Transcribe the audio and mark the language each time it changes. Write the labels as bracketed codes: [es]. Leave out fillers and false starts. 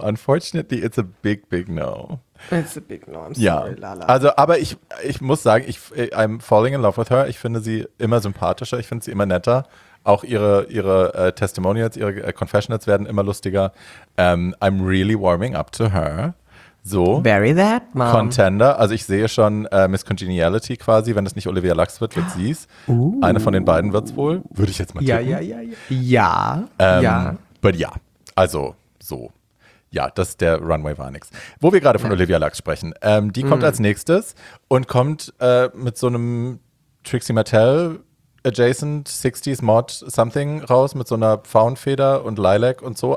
[en] Unfortunately, it's a big, big no. It's a big no, I'm sorry, [de] ja. [en] Lala. [de] Also, aber ich muss sagen, [en] I'm falling in love with her. [de] Ich finde sie immer sympathischer, ich finde sie immer netter. Auch ihre Testimonials, ihre Confessionals werden immer lustiger. [en] I'm really warming up to her. [de] So. [en] Very that, Mom. Contender. [de] Also ich sehe schon Miss Congeniality quasi, wenn es nicht Olivia Lux wird, wird sie's. Eine von den beiden wird's wohl. Würde ich jetzt mal tippen. Ja. [en] But [de] ja, also so. Ja, das ist der Runway war nix. Wo wir gerade von Olivia Lux sprechen, die kommt als nächstes und kommt mit so einem Trixie Mattel adjacent 60s Mod something raus, mit so einer Pfauenfeder und Lilac und so.